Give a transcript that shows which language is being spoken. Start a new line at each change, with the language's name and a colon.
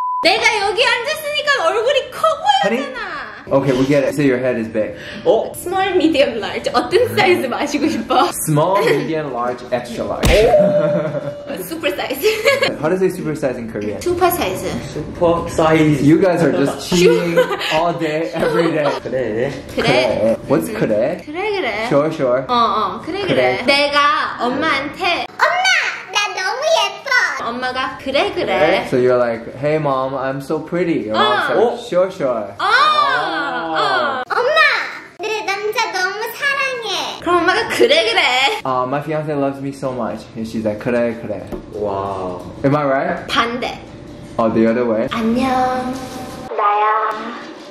Korean: 내가 여기 앉았으니까 얼굴이 커 보여잖아.
English: Okay, we get it. So your head is big. Oh. Small, medium, large.
Korean: 어떤 사이즈 마시고 싶어?
English: Small, medium, large, extra large. Oh. Super size. How do they say super size in Korean? Super size. Super size. You guys are just cheating all day, every day.
Korean: 그래. 그래. 그래. What's 그래? 그래 그래.
English: Sure, sure.
Korean: 어, 어. 그래, 그래 그래. 내가 엄마한테 엄마! 나 너무 예뻐! 엄마가 그래 그래. 그래?
English: So you're like, hey mom, I'm so pretty. Your mom's like, oh. Sure, sure. Oh. Oh.
Korean: 엄마, 내 남자 너무 사랑해. 그럼 엄마가 그래 그래.
English: My fiance loves me so much, and she's like
Korean: 그래 그래.
English: Wow. Am I right?
Korean: 반대.
English: Oh, the other way.
Korean: 안녕. 나야.